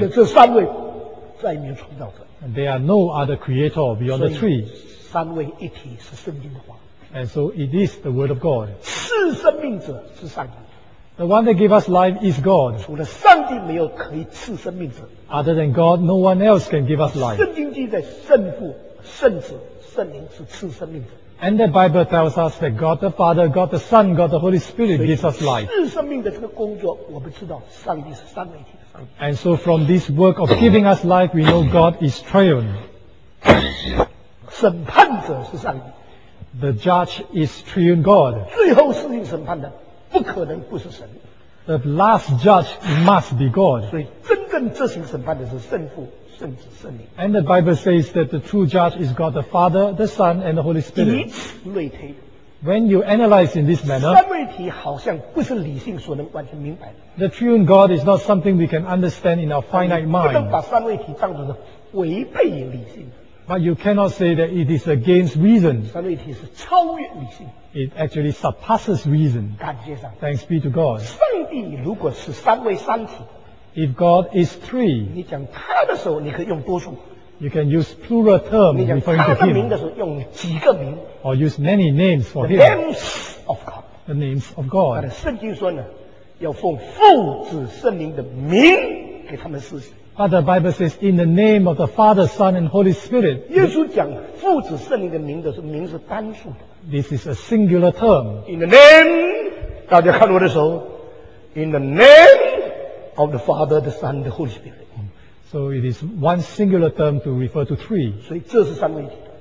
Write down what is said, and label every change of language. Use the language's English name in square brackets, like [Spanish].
[Chinese] 除了这三位，再没有创造者。 [English] There are no other creator beyond the three. [Chinese] 三位一体是圣经的话。 [English] And so it is the word of God. [Chinese] 赐生命者是上帝。 [English] The one that gave us life is God. [Chinese] 除了上帝没有可以赐生命者。 [English] Other than God, no one else can give us life. [Chinese] 圣经记载圣父、圣子、圣灵是赐生命者。 [English] And the Bible tells us that God the Father, God the Son, God the Holy Spirit gives us life. [Chinese] 赐生命的这个工作，我们知道上帝是三位一体的上帝。 [English] And so from this work of giving us life, we know God is triune. [Chinese] 审判者是上帝。 [English] The judge is triune God. [Chinese] 最后施行审判的不可能不是神。 [English] The last judge must be God. [Chinese] 所以真正执行审判的是圣父。 [English] And the Bible says that the true judge is God the Father, the Son, and the Holy Spirit. [Chinese] 以此类推。 [English] When you analyze in this manner, [Chinese] 三位一体好像不是理性所能完全明白的。 [English] The triune God is not something we can understand in our finite mind. [Chinese] 不能把三位一体当作是违背理性的。 [English] But you cannot say that it is against reason. [Chinese] 三位一体是超越理性。 [English] It actually surpasses reason. [Chinese] 感谢上帝。 [English] Thanks be to God. [Chinese] 上帝如果是三位三体。 [English] If God is three, [Chinese] 你讲他的时候，你可以用多数。 [English] You can use plural term referring to him. [Chinese] 你讲他的名的时候，用几个名。 [English] Or use many names for him. The names of God. The names of God. [Chinese] 但圣经说呢，要奉父子圣灵的名给他们施洗。 [English] But the Bible says, in the name of the Father, Son, and Holy Spirit. [Chinese] 耶稣讲父子圣灵的名的时候，名是单数的。 [English] This is a singular term. In the name, [Chinese] 大家看我的时候 [English] ，in the name. Of the Father, the Son, the Holy Spirit. So it is one singular term to refer to three. [Chinese] 所以这是三位一体。